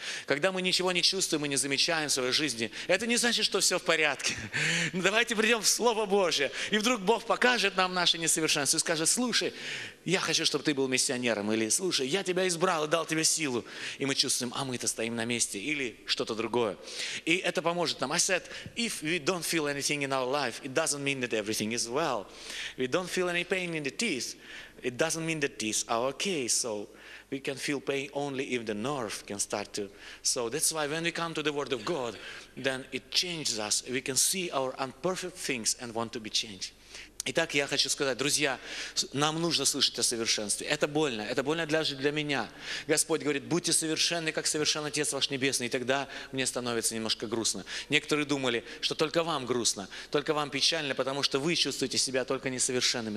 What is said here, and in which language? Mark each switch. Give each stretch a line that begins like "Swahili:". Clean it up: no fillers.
Russian: Когда мы ничего не чувствуем и не замечаем в своей жизни, это не значит, что все в порядке. Но давайте придем в Слово Божие, и вдруг Бог покажет нам наше несовершенство и скажет: слушай, я хочу, чтобы ты был миссионером, или слушай, я тебя избрал и дал тебе силу. И мы чувствуем: а мы-то стоим на месте, или что-то другое. И это поможет нам.
English: I said, if we don't feel anything in our life, it doesn't mean that everything is well. If we don't feel any pain in the teeth, it doesn't mean that this our case. So we can feel pain only if the nerve can start to. So that's why when we come to the Word of God, then it changes us. We can see our imperfect things and want to be changed.
Russian: Итак, я хочу сказать, друзья, нам нужно слышать о совершенстве. Это больно даже для меня. Господь говорит: будьте совершенны, как совершен Отец ваш Небесный, и тогда мне становится немножко грустно. Некоторые думали, что только вам грустно, только вам печально, потому что вы чувствуете себя только несовершенными.